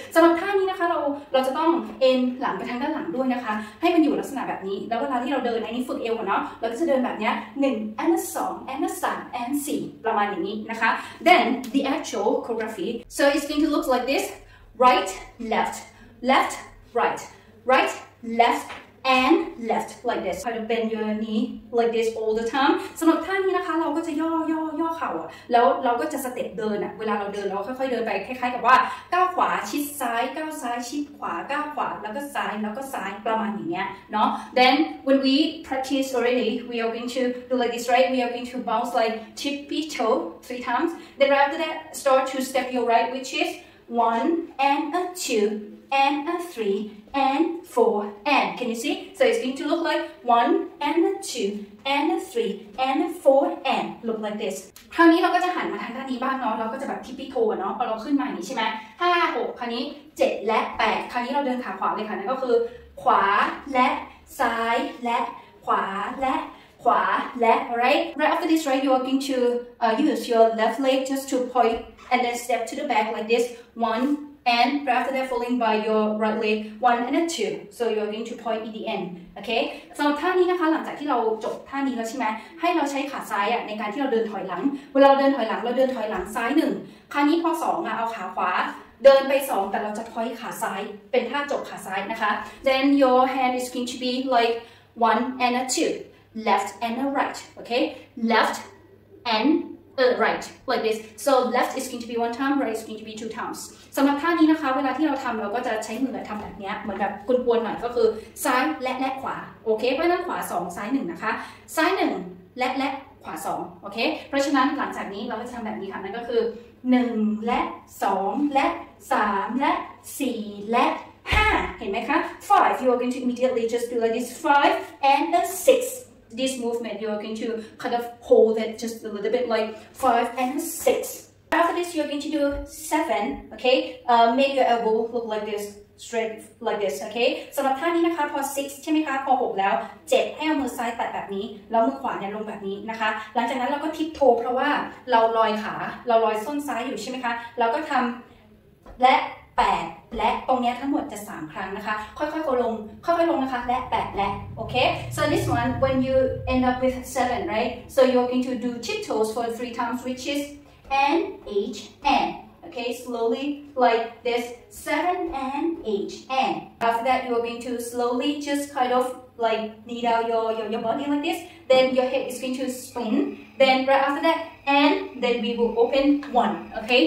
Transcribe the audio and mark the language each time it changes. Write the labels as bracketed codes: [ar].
[th] สำหรับท่านี้นะคะเราจะต้องเอ็นหลังไปทางด้านหลังด้วยนะคะให้มันอยู่ลักษณะแบบนี้แล้วเวลาที่เราเดินในนี้ฝึกเอวเนาะเราก็จะเดินแบบนี้หนึ่ง and a 2 and a 3 and 4ประมาณอย่างนี้นะคะ [en] Then the actual choreography. So it's going to look like this. Right, left, left, right, right, left, and left, like this. Try to bend your knee like this all the time. [th] สำหรับท่านี้นะคะเราก็จะย่อเข่าแล้วเราก็จะสเต็ปเดินอะเวลาเราเดินเราค่อยๆเดินไปคล้ายๆกับว่าก้าวขวาชิดซ้ายก้าวซ้ายชิดขวาก้าวขวาแล้วก็ซ้ายแล้วก็ซ้ายประมาณอย่างเงี้ยเนาะ [en] Then when we practice already, we are going to do like this, right? We are going to bounce like tippy toe three times. Then after that, start to step your right, which is... One and a two and a three and four and can you see? So it's going to look like one and a two and a three and a four and look like this. [th] คราวนี้เราก็จะหันมาทางด้านนี้บ้างเนาะเราก็จะแบบทิปปี้โทเนาะพอเราขึ้นมาอย่างนี้ใช่ไหมห้าหกคราวนี้เจ็ดและแปดคราวนี้เราเดินขาขวาเลยค่ะนั่นก็คือขวาและซ้ายและขวาและขวาและ [en] right right after this right you are going to use your left leg just to point and then step to the back like this one and right after that following by your right leg one and a two so you are going to point in the end okay [th] สำหรับท่านี้นะคะหลังจากที่เราจบท่านี้แล้วใช่ไหมให้เราใช้ขาซ้ายอ่ะในการที่เราเดินถอยหลังเวลาเราเดินถอยหลังเราเดินถอยหลังซ้ายหนึ่งคราวนี้พอสองอ่ะเอาขาขวาเดินไปสองแต่เราจะพอยขาซ้ายเป็นท่าจบขาซ้ายนะคะ [en] then your hand is going to be like one and a twoLeft and a right, okay? Left and a right, like this. So left is going to be one time, right is going to be two times. [th] สำหรับท่านี้นะคะเวลาที่เราทำเราก็จะใช้มือแบบทำแบบนี้เหมือนแบบกวนๆหน่อยก็คือซ้ายและขวาโอเคเพราะฉะนั้นขวา2ซ้าย1นะคะซ้าย1และขวา2โอเคเพราะฉะนั้นหลังจากนี้เราก็จะทำแบบนี้ค่ะนั่นก็คือ1และ2และ3และ4และ5เห็นไหมคะ [en] 5 you are going to immediately just do like this 5 and a 6This movement, you are going to kind of hold it just a little bit, like five and six. After this, you are going to do seven, okay? Make your elbow look like this, straight like this, okay? [th] สำหรับท่านี้นะคะพอ six ใช่ไหมคะพอ6แล้ว7ให้เอามือซ้ายตัดแบบนี้แล้วมือขวาเนี่ยลงแบบนี้นะคะหลังจากนั้นเราก็ทิปโทเพราะว่าเราลอยขาเราลอยส้นซ้ายอยู่ใช่ไหมคะเราก็ท ำและ8และตรงนี้ทั้งหมดจะ3ครั้งนะคะค่อยๆก็ลงค่อยๆลงนะคะและ8และโอเค [en] so this one when you end up with 7 right so you're going to do tiptoes for 3 times which is and 8 and okay slowly like this 7 and 8 and after that you're going to slowly just kind of like knead out your body like this then your head is going to spin then right after thatAnd then we will open one, okay?